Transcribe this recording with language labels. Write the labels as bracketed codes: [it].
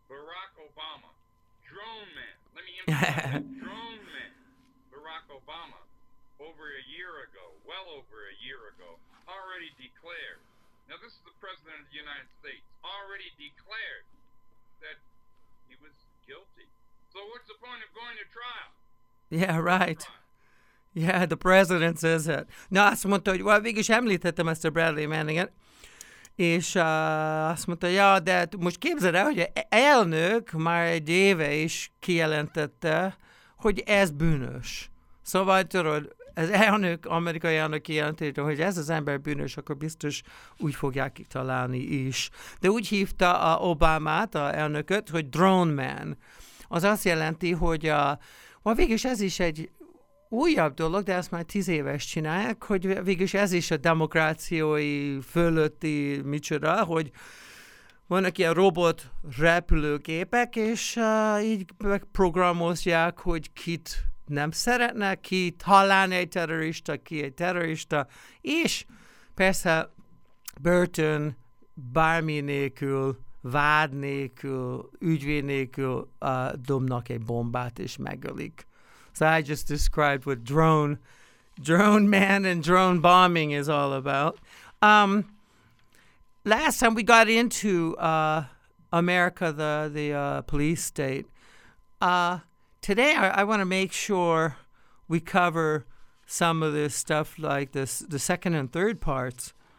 [en] Barack Obama, drone man, let me emphasize, drone man, Barack Obama, well over a year ago, already declared, now this is the President of the United States, already declared that he was guilty. So what's the point of going to trial? Yeah, right. Yeah, the president says it. [hu] Na, azt mondta, hogy végig is említettem ezt a Bradley Manninget, és azt mondta, ja, de most képzeld el, hogy elnök már egy éve is kijelentette, hogy ez bűnös. Szóval tudod, az elnök, amerikai elnök kijelentette, hogy ez az ember bűnös, akkor biztos úgy fogják kitalálni is. De úgy hívta a Obamát, a elnököt, hogy drone man. Az azt jelenti, hogy végig is ez is egy újabb dolog, de ezt már 10 éves csinálják, hogy végülis ez is a demokráciai fölötti micsoda, hogy vannak ilyen robot repülőgépek, és így megprogramozják, hogy kit nem szeretne, ki talán egy terrorista, ki egy terrorista, és persze börtön bármi nélkül, vád nélkül, ügyvéd nélkül dobnak egy bombát és megölik. [en] So I just described what drone man and drone bombing is all about. Last time we got into America, the police state. Today I want to make sure we cover some of this stuff, like this, the second and third parts.